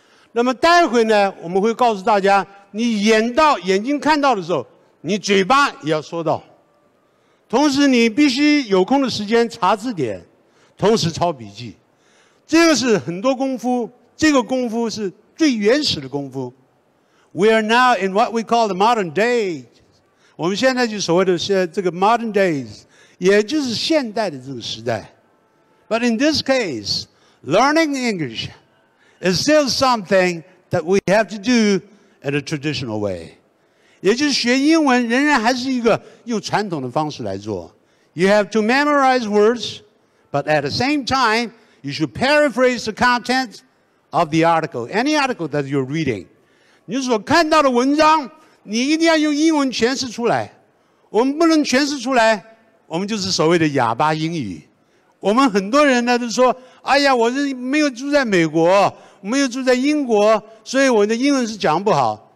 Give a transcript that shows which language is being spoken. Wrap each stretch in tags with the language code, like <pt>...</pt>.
<zh>那么待会呢，我们会告诉大家，你眼睛看到的时候，你嘴巴也要说到。同时你必须有空的时间查字典，同时抄笔记。这个是很多功夫，这个功夫是最原始的功夫。</zh> <en>We are now in what we call the modern days.</en> <zh>我们现在就所谓的这个 modern days， 也就是现代的这个时代。</zh> <en>But in this case, learning English is still something that we have to do in a traditional way.</en> <zh>也就是学英文仍然还是一个用传统的方式来做。</zh> <en>You have to memorize words, but at the same time, you should paraphrase the content. Of the article, any article that you're reading.</en> <zh>你所看到的文章，你一定要用英文诠释出来。我们不能诠释出来，我们就是所谓的哑巴英语。我们很多人呢都说，哎呀，我是没有住在美国，没有住在英国，所以我的英文是讲不好。</zh>